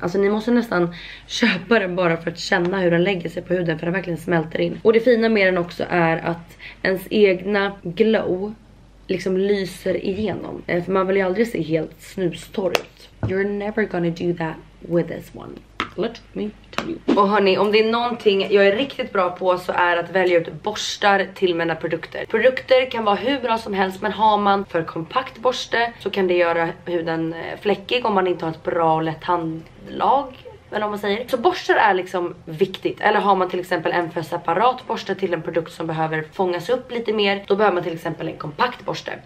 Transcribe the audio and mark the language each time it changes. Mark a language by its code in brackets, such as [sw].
[sv] Alltså ni måste nästan köpa den bara för att känna hur den lägger sig på huden, för den verkligen smälter in. Och det fina med den också är att ens egna glow liksom lyser igenom. För man vill ju aldrig se helt snustorr ut. [en] You're never gonna do that with this one. Let me tell you. [sv] Och hörni, om det är någonting jag är riktigt bra på så är att välja ut borstar till mina produkter. Produkter kan vara hur bra som helst, men har man för kompakt borste så kan det göra huden fläckig om man inte har ett bra och lätt handlag. Eller om man säger. Så borstar är liksom viktigt. Eller har man till exempel en för separat borste till en produkt som behöver fångas upp lite mer, då behöver man till exempel en kompakt borste.